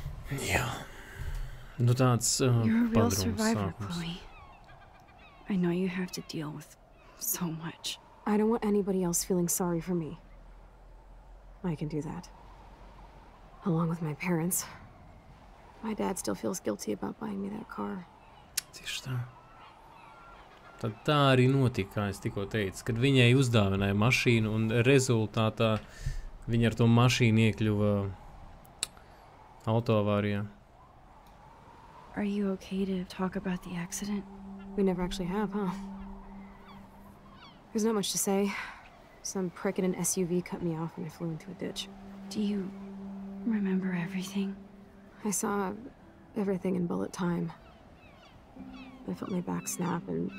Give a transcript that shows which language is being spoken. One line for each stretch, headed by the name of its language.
Latvian: Yeah. Nu tāds padrums sākums.
English: I know you have to deal with so much. I don't want anybody else feeling sorry for me. I can do that. Along with my parents. My dad still feels guilty about buying me that car.
Latvian: Tieši tā. Tad tā arī notika, kā es tikko teicu, kad viņai uzdāvināja mašīnu un rezultātā viņa ar to mašīnu iekļuva autoavārijā.
English: Are you okay to talk about the accident? We never actually have, huh? There's not much to say. Some prick in an SUV cut me off and I flew into a ditch. Do you remember everything? I saw everything in bullet time. I felt my back snap and...